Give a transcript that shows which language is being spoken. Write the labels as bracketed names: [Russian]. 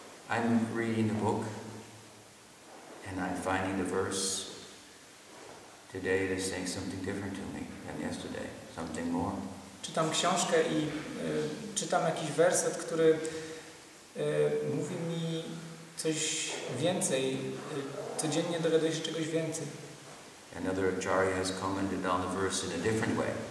[English] I'm reading the book and I'm finding the verse today that's saying something different to me than yesterday, something more. [Polish] Czytam książkę i czytam jakiś werset, który mówi mi coś więcej. Codziennie dowiaduję się czegoś więcej. [English] Another acharya has commented on the verse in a different way.